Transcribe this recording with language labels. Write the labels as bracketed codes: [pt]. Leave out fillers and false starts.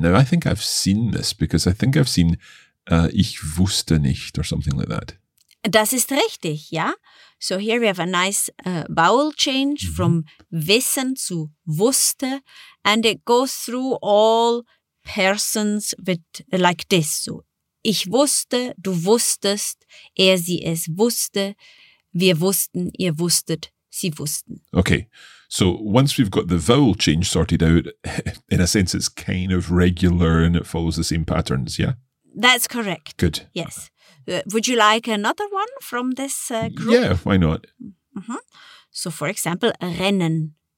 [en] Now, I think I've seen this because I think I've seen [de] ich wusste nicht [en] or something like that. [de] Das ist richtig, ja. [en] So here we have a nice vowel change from wissen [de] zu wusste. [en] And it goes through all persons with like this. [de] So ich wusste, du wusstest, er, sie, es wusste, wir wussten, ihr wusstet, sie wussten. [en] Okay, so once we've got the vowel change sorted out, in a sense it's kind of regular and it follows the same patterns, yeah? That's correct. Good. Yes. Would you like another one from this group? Yeah, why not? So, for example, rennen.